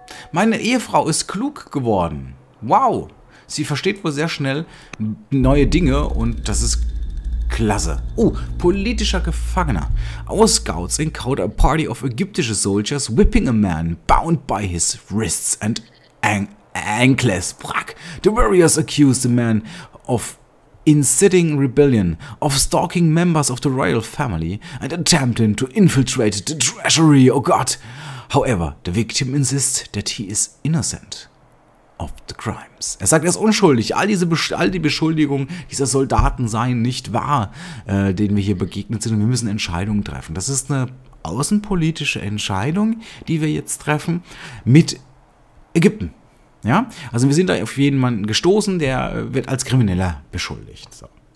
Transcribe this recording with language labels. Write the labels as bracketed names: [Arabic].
[German] Meine Ehefrau ist klug geworden. Wow. Sie versteht wohl sehr schnell neue Dinge und das ist klasse. Oh, politischer Gefangener. [English] Our scouts encounter a party of [German] ägyptische [English] soldiers whipping a man bound by his wrists and ankles. Brack. The warriors accuse the man of inciting rebellion, of stalking members of the royal family and attempting to infiltrate the treasury. [German] Oh Gott. [English] However, the victim insists that he is innocent of the crimes. [German] Er sagt, er ist unschuldig. All die Beschuldigungen dieser Soldaten seien nicht wahr, denen wir hier begegnet sind. Und wir müssen Entscheidungen treffen. Das ist eine außenpolitische Entscheidung, die wir jetzt treffen mit Ägypten. Ja? Also wir sind da auf jemanden gestoßen, der wird als Krimineller beschuldigt. So.